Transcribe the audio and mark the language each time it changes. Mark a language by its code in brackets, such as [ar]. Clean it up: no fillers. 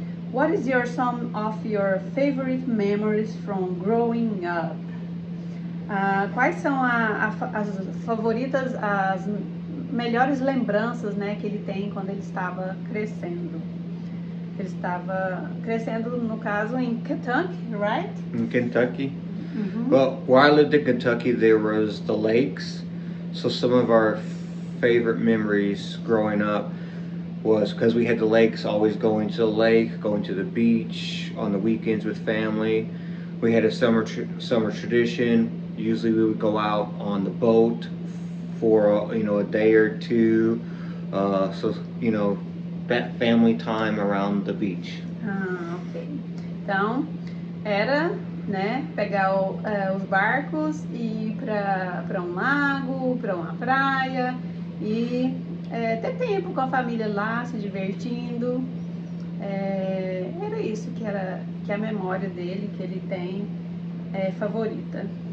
[en] What is your some of your favorite memories from growing up? [pt] Quais são as favoritas, as melhores lembranças, né, que ele tem quando ele estava crescendo? Ele estava crescendo, no caso, em Kentucky, right? [en] In Kentucky. Mm-hmm. Well, where I lived in Kentucky, there was the lakes. So some of our favorite memories growing up was because we had the lakes, always going to the lake, going to the beach on the weekends with family. We had a summer tradition. Usually we would go out on the boat for a day or two. So, you know, that family time around the beach. Ah, okay. [pt] Então, era, né, pegar os barcos e ir para um lago, para uma praia e ter tempo com a família lá, se divertindo. Era isso que a memória dele, que ele tem, favorita.